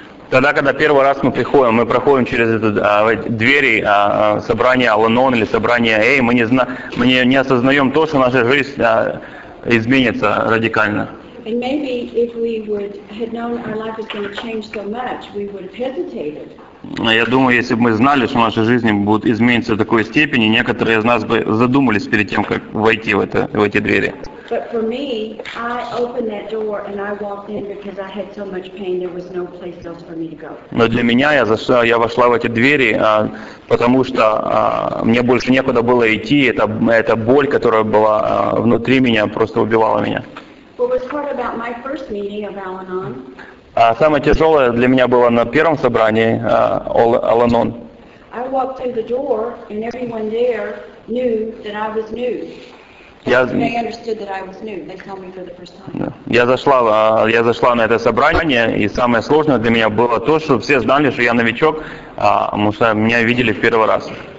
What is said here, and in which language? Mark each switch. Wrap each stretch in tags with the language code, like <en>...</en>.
<ru>Тогда, когда первый раз мы проходим через двери собрания Al-Anon или собрания AA, мы не осознаем то, что наша жизнь изменится радикально.</ru> <en>And maybe if we would had known our life was going to change so much, we would have hesitated.</en> <ru>Я думаю, если бы мы знали, что наша жизнь будет измениться в такой степени, некоторые из нас бы задумались перед тем, как войти в эти двери.</ru> <en>But for me, I opened that door and I walked in because I had so much pain there was no place else for me to go.</en> <ru>Но для меня я вошла в эти двери, потому что мне больше некуда было идти, эта боль, которая была внутри меня, просто убивала меня.</ru> <en>What was hard about my first meeting of Al-Anon?</en> <ru>А самое тяжелое для меня было на первом собрании Al-Anon.</ru> <en>I walked through the door and everyone there knew that I was new.</en> <ru>Я зашла на это собрание, и самое сложное для меня было то, что все знали, что я новичок, потому что меня видели в первый раз.</ru>